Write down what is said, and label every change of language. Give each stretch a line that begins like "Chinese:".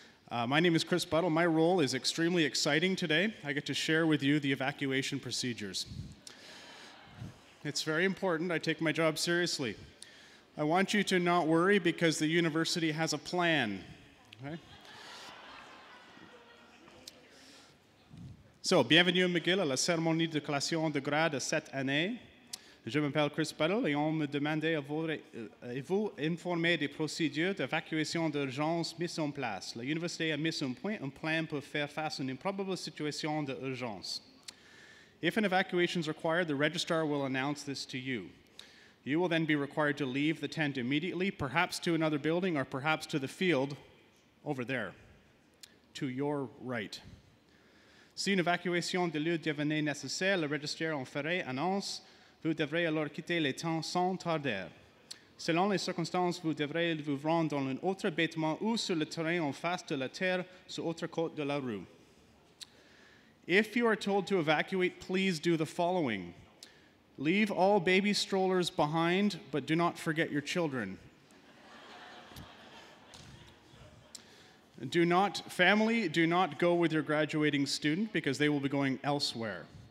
English: My name is Chris Buttle. My role is extremely exciting today. I get to share with you the evacuation procedures. It's very important. I take my job seriously. I want you to not worry, because the university has a plan. Okay?
French: So, bienvenue McGill à la cérémonie de collation de grade cette année. Je m'appelle Chris Buttle et on me demandait de vous informer des procédures d'évacuation d'urgence mises en place. La université a mis en point un plan pour faire face à une improbable situation d'urgence.
English: If an evacuation is required, the registrar will announce this to you. You will then be required to leave the tent immediately, perhaps to another building or perhaps to the field over there, to your right.
French: Si une évacuation de lieu devenait nécessaire, le registrar en ferait annonce. Vous devrez alors quitter les tents sans tarder. Selon les circonstances, vous devrez vous rendre dans un autre bâtiment ou sur le terrain en face de la terre, sur l'autre côte de la rue.
English: If you are told to evacuate, please do the following. Leave all baby strollers behind, but do not forget your children. Do not go with your graduating student, because they will be going elsewhere.